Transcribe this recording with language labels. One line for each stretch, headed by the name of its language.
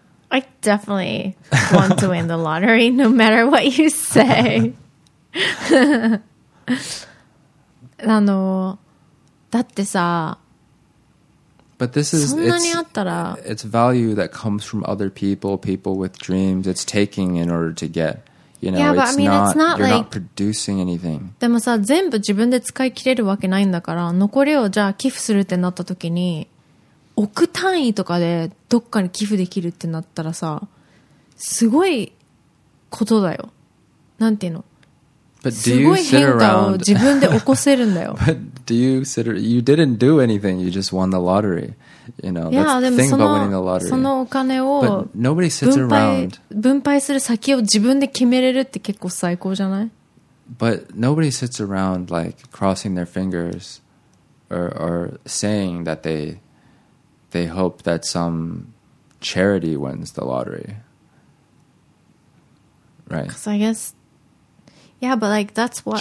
English: I definitely want to win the lottery, no matter what you say.
Japanese: あの、だってさ、
English: But this is,
Japanese: そんなにあったら、
English: it's value that comes from other people, people with dreams. It's taking in order to get. You know, yeah, but I mean, not, it's not you're like... You're not producing anything.
Japanese: でもさ、全部自分で使い切れるわけないんだから、残りをじゃあ寄付するってなった時に、億単位とかでどっかに寄付できるってなったらさ、すごいことだよ。なんていうの?
English: But do you
Japanese: すごい変化を自分で起こせるんだよ。
English: But do you sit around... You didn't do anything, you just won the lottery. You know, yeah, that's the thing about winning the lottery.
Japanese: そのお金を
English: But nobody sits around...
Japanese: 分配する先を自分で決めれるって結構最高じゃない?
English: But nobody sits around, like, crossing their fingers or saying that they hope that some charity wins the lottery. Right? Because I guess... Yeah, but like that's what